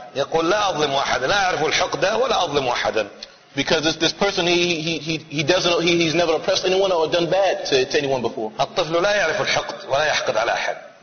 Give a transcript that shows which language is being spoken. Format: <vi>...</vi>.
<ar>يقول لا أظلم أحدا لا أعرف الحقدة ولا أظلم أحدا.</ar> <en>Because this person he's never oppressed anyone or done bad to anyone before.</en> <ar>الطفل لا يعرف الحقد ولا يحقد على أحد.</ar>